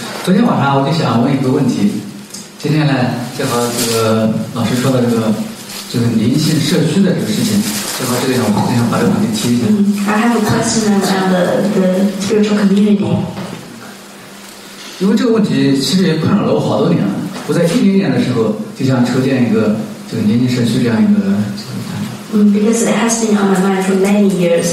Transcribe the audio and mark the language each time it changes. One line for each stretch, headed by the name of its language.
Chinese: 昨天晚上我就想问一个问题，今天呢，正好这个老师说的这个就是灵性社区的这个事情，正好这个想，我想把这个问题提一下。
English: I have a question about the spiritual community.
Chinese: 因为这个问题其实也困扰了我好多年了。我在2010年的时候就想筹建一个这个灵性社区这样一个。
English: Because it has been on my mind for many years.